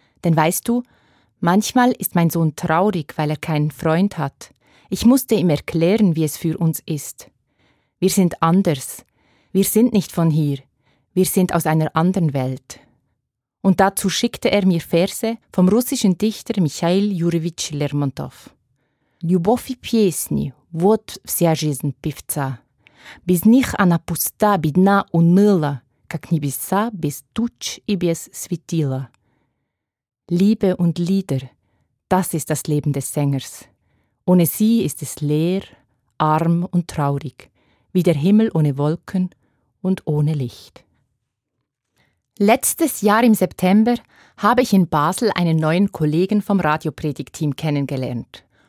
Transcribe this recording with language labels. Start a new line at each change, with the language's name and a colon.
German: Denn weißt du, manchmal ist mein Sohn traurig, weil er keinen Freund hat. Ich musste ihm erklären, wie es für uns ist. Wir sind anders. Wir sind nicht von hier. Wir sind aus einer anderen Welt. Und dazu schickte er mir Verse vom russischen Dichter Michail Jurewitsch Lermontow.
Russian: «Любовь и песни, вот вся жизнь певца. Без них она пуста, бедна, уныла, как небеса без туч и без светила».
German: Liebe und Lieder, das ist das Leben des Sängers. Ohne sie ist es leer, arm und traurig, wie der Himmel ohne Wolken und ohne Licht. Letztes Jahr im September habe ich in Basel einen neuen Kollegen vom Radiopredigteam kennengelernt.